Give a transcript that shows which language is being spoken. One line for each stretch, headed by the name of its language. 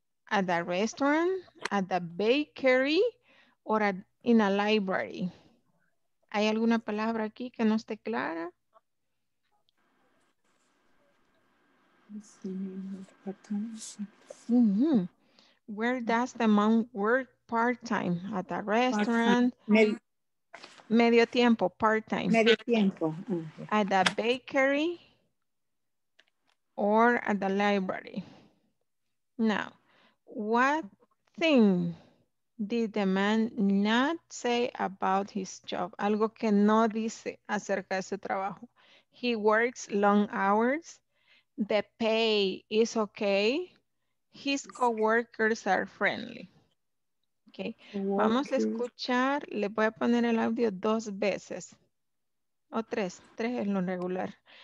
English: At the restaurant, at the bakery, or at, in a library?
Spanish: ¿Hay alguna palabra aquí que no esté clara?
English: Mm-hmm. Where does the man work part-time? At the restaurant?
Spanish: Medio tiempo,
English: part-time.
Spanish: Medio tiempo.
English: At the bakery or at the library? Now, what thing did the man not say about his job?
Spanish: Algo que no dice acerca de su trabajo.
English: He works long hours. The pay is okay. His co-workers are friendly. Okay.
Spanish: Vamos a escuchar. Le voy a poner el audio dos veces. O tres. Tres es lo regular.